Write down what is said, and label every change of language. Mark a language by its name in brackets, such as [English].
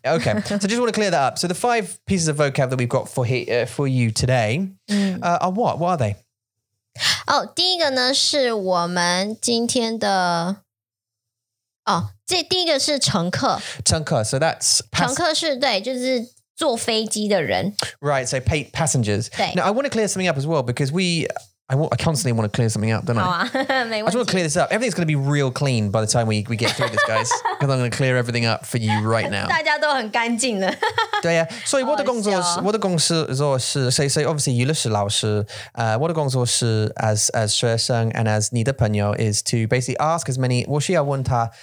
[English] Okay, so just want to clear that up. So the five pieces of vocab that we've got for you today are what? What are they? [Chinese] Oh, 第一个呢是我们今天的... Oh, 第一个是乘客. [English] 乘客, so that's... [Chinese] 乘客是, 对, 就是坐飞机的人. [English] Right, so passengers. [Chinese] 对. [English] Now, I want to clear something up as well because I constantly want to clear something up, don't I? [Chinese] 好啊, [English] I just want to clear this up. Everything's going to be real clean by the time we get through this, guys. Because I'm going to clear everything up for you right now. [Chinese] 大家都很干净了。对啊, 所以我的工作是, [English] so obviously, [Chinese] 于律师老师, [English] what the [Chinese] 工作是 [English] as [Chinese] 学生 [English] and as [Chinese] 你的朋友 [English] is to basically ask as many, [Chinese] 我需要问他